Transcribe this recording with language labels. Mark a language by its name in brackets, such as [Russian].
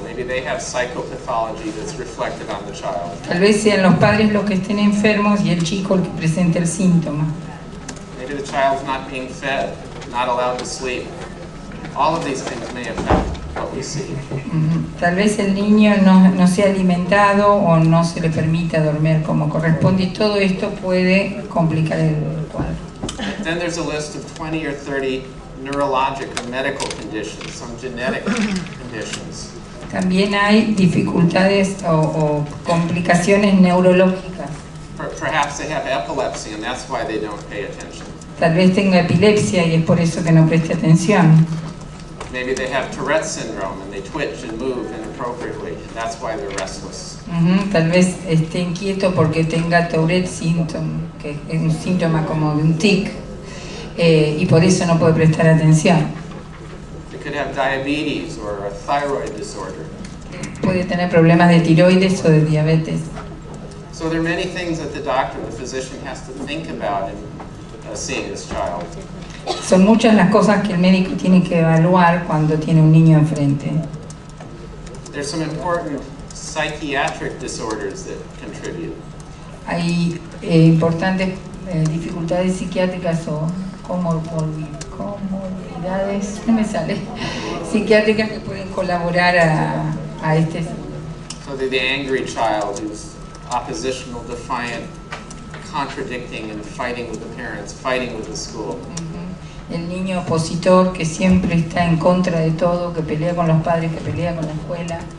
[English] Maybe they have psychopathology that's reflected on the child. [Spanish] Tal vez sean los padres los que estén enfermos y el chico el que presente el síntoma. [English] Maybe the child's not being fed, not allowed to sleep. All of these things may affect what we see. [Spanish] Tal vez el niño no sea alimentado o no se le permita dormir como corresponde y todo esto puede complicar el cuadro. [English] Then there's a list of 20 or 30 neurologic or medical conditions, some genetic conditions. [Spanish] También hay dificultades o complicaciones neurológicas. [English] Perhaps they have epilepsy and that's why they don't pay attention. [Spanish] Tal vez tenga epilepsia y es por eso que no preste atención. [English] Maybe they have Tourette syndrome and they twitch and move inappropriately. And that's why they're restless. [Spanish] Tal vez esté inquieto porque tenga Tourette syndrome, que es un síntoma como de un tic. Y por eso no puede prestar atención. [English] They could have diabetes or a thyroid disorder. [Spanish] Puede tener problemas de tiroides o de diabetes. [English] So there are many things that the doctor, the physician has to think about in seeing this child. [Spanish] Son muchas las cosas que el médico tiene que evaluar cuando tiene un niño enfrente. [English] There's some important psychiatric disorders that contribute. [Spanish] Hay importantes dificultades psiquiátricas o comorbilidades, no me sale, psiquiátricas que pueden colaborar a este. [English] So the angry child who's oppositional, defiant, contradicting and fighting with the parents, fighting with the school. [Spanish] El niño opositor que siempre está en contra de todo, que pelea con los padres, que pelea con la escuela.